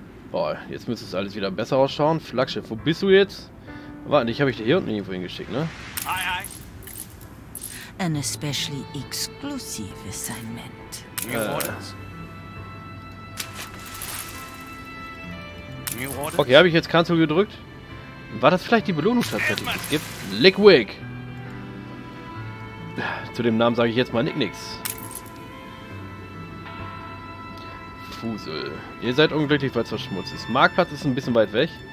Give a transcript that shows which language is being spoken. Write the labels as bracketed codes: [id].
[de] Boah, jetzt müsste es alles wieder besser ausschauen. Flaggschiff, wo bist du jetzt? Warte, ich habe dich hier unten irgendwo hingeschickt, ne? [en] Hi, hi. An especially exclusive assignment. [de] Okay, habe ich jetzt Cancel gedrückt? War das vielleicht die Belohnung tatsächlich? Es gibt Liquid. Zu dem Namen sage ich jetzt mal nix. Fusel. Ihr seid unglücklich, weil es verschmutzt ist. Marktplatz ist ein bisschen weit weg.